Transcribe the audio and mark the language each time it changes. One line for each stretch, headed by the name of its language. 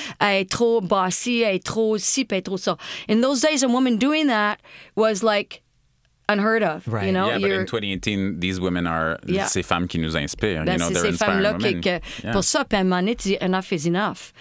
French: Elle est trop bossy, elle est trop si, elle est trop ça.
English: In those days, a woman doing that was like unheard of, you know? Yeah, but in 2018, these women are
French: ces femmes qui nous inspirent. Ben,
English: you know, they're inspiring women.
French: Que, pour ça, puis à un moment donné,
English: enough is enough.